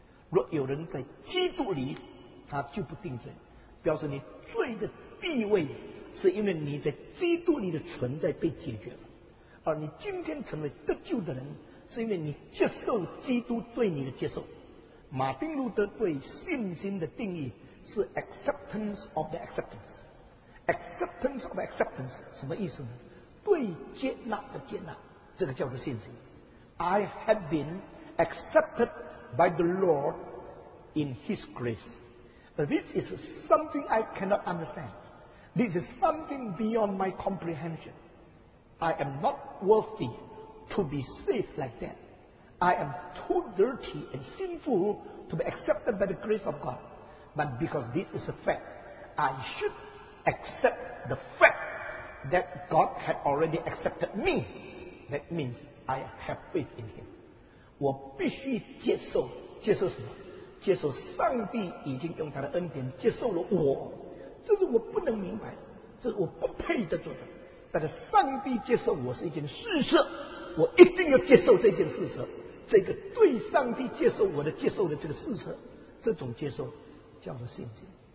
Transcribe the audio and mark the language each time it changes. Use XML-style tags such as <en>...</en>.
<zh>若有人在基督里他就不定罪，表示你罪的地位是因为你在基督里的存在被解决了，而你今天成为得救的人是因为你接受基督对你的接受。马丁路德对信心的定义是</zh> <en>acceptance of the acceptanceAcceptance of acceptance</en> <zh>什么意思呢？对接纳的接纳，这个叫做信心。</zh> <en>I have been accepted by the Lord in His grace. This is something I cannot understand. This is something beyond my comprehension. I am not worthy to be saved like that. I am too dirty and sinful to be accepted by the grace of God. But because this is a fact, I shouldaccept the fact that God had already accepted me. That means I have faith in Him.</en> <zh>我必须接受，接受什么？接受上帝已经用他的恩典接受了我。这是我不能明白，这是我不配得做的。但是上帝接受我是一件事实，我一定要接受这件事实。这个对上帝接受我的接受的这个事实，这种接受叫做信心。</zh>